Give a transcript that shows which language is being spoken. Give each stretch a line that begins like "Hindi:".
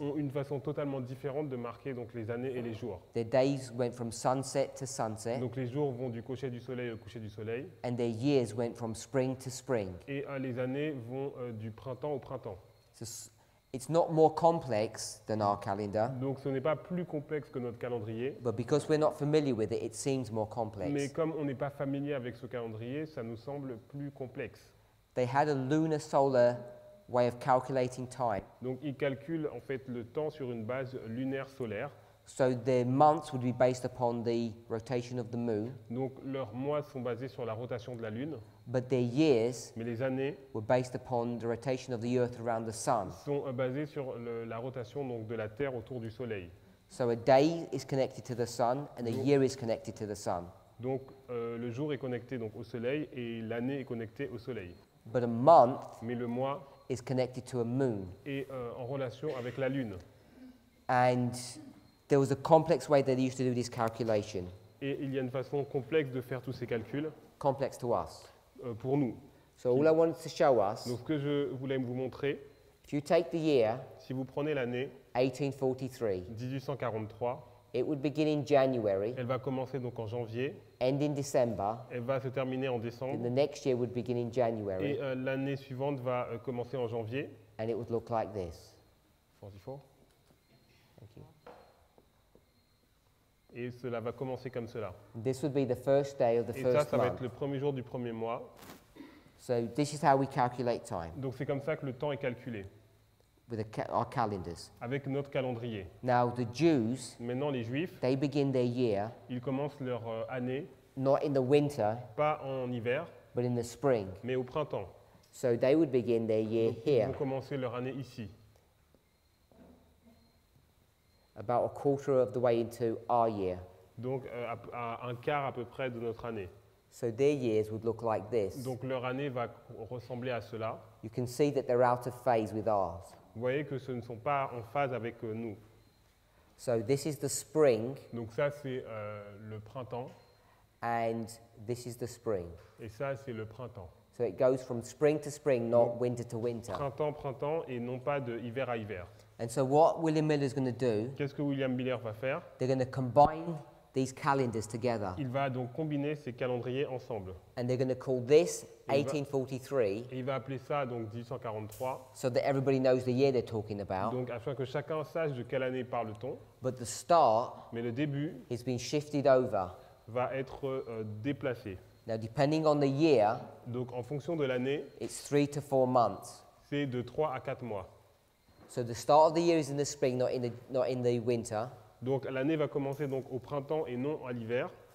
French: Ont une façon totalement différente de marquer donc les années et les jours.
English: Their days went from sunset to sunset.
French: Donc les jours vont du coucher du soleil au coucher du soleil.
English: And their years went from spring to spring.
French: Et les années vont du printemps au printemps.
English: It's not more complex than our calendar.
French: Donc ce n'est pas plus complexe que notre calendrier.
English: But because we're not familiar with it, it seems more complex.
French: Mais comme on n'est pas familier avec ce calendrier, ça nous semble plus complexe.
English: They had a lunar-solar way of calculating time.
French: Donc ils calculent en fait le temps sur une base lunaire solaire.
English: So their months would be based upon the rotation of the moon.
French: Donc leurs mois sont basés sur la rotation de la lune.
English: But their years,
French: mais les années,
English: were based upon the rotation of the earth around the sun.
French: Sont basés sur la rotation donc de la terre autour du soleil.
English: So a day is connected to the sun and a year is connected to the sun.
French: Donc le jour est connecté donc au soleil et l'année est connectée au soleil.
English: But a month,
French: mais le mois,
English: is connected to a moon.
French: Et en relation avec la lune.
English: And there was a complex way that they used to do this calculation.
French: Et il y a une façon complexe de faire tous ces calculs.
English: Complex to us.
French: Pour nous.
English: So all I wanted to show us.
French: Donc ce que je voulais vous montrer.
English: If you take the year.
French: Si vous prenez l'année.
English: 1843.
French: 1843.
English: It would begin in January.
French: Elle va commencer donc en janvier.
English: End in December.
French: Elle va se terminer en décembre.
English: Then the next year would begin in January.
French: Et l'année suivante va commencer en janvier.
English: And it would look like this. 44.
French: Et cela va commencer comme cela.
English: This would be the first day of the
French: et
English: first
French: ça, ça va être le premier jour du premier mois.
English: So this is how we calculate time.
French: Donc c'est comme ça que le temps est calculé.
English: With our calendars.
French: Avec notre calendrier.
English: Now the Jews,
French: maintenant les Juifs,
English: they begin their year,
French: ils commencent leur année,
English: not in the winter,
French: pas en hiver,
English: but in the spring.
French: Mais au printemps.
English: So they would begin their year
French: donc,
English: here.
French: Ils vont commencer leur année ici.
English: About a quarter of the way into our year.
French: Donc à un quart à peu près de notre année.
English: So their years would look like this.
French: Donc leur année va ressembler à cela.
English: You can see that they're out of phase with ours.
French: Vous voyez que ce ne sont pas en phase avec nous.
English: So this is the spring.
French: Donc ça c'est le printemps.
English: And this is the spring.
French: Et ça c'est le printemps.
English: So it goes from spring to spring, not
French: donc,
English: winter to winter.
French: Printemps, printemps et non pas de hiver à hiver.
English: And so what William Miller is going to do?
French: Qu'est-ce que William Miller va faire?
English: They're going to combine these calendars together.
French: Il va donc combiner ces calendriers ensemble.
English: And they're going to call this 1843.
French: Et il va appeler ça donc 1843.
English: So that everybody knows the year they're talking about.
French: Donc afin que chacun sache de quelle année parle-t-on.
English: But the start.
French: Mais le début.
English: Is being shifted over.
French: Va être déplacé.
English: Now depending on the year.
French: Donc en fonction de l'année.
English: It's 3 to 4 months.
French: C'est de 3 à 4 mois.
English: So the start of the year is in the spring, not in the winter.
French: Donc l'année va commencer donc au printemps et non à l'hiver.